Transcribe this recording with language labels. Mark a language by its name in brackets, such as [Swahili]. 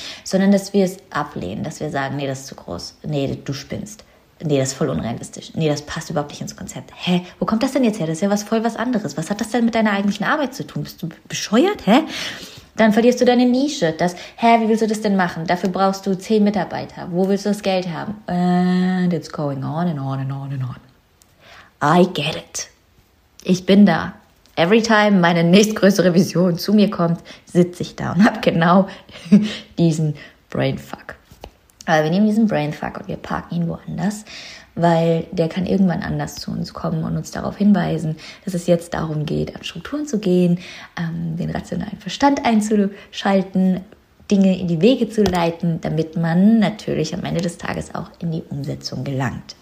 [German] Sondern dass wir es ablehnen, dass wir sagen, nee, das ist zu groß, nee, du spinnst, nee, das ist voll unrealistisch, nee, das passt überhaupt nicht ins Konzept. Hä, wo kommt das denn jetzt her? Das ist ja was voll was anderes. Was hat das denn mit deiner eigentlichen Arbeit zu tun? Bist du bescheuert? Hä? Dann verlierst du deine Nische. Wie willst du das denn machen? Dafür brauchst du 10 Mitarbeiter. Wo willst du das Geld haben? [English] And it's going on and on and on and on. I get it. [German] Ich bin da. [English] Every time [German] meine nächstgrößere Vision zu mir kommt, sitze ich da und habe genau diesen Brainfuck. Aber wir nehmen diesen Brainfuck und wir parken ihn woanders, weil der kann irgendwann anders zu uns kommen und uns darauf hinweisen, dass es jetzt darum geht, an Strukturen zu gehen, den rationalen Verstand einzuschalten, Dinge in die Wege zu leiten, damit man natürlich am Ende des Tages auch in die Umsetzung gelangt.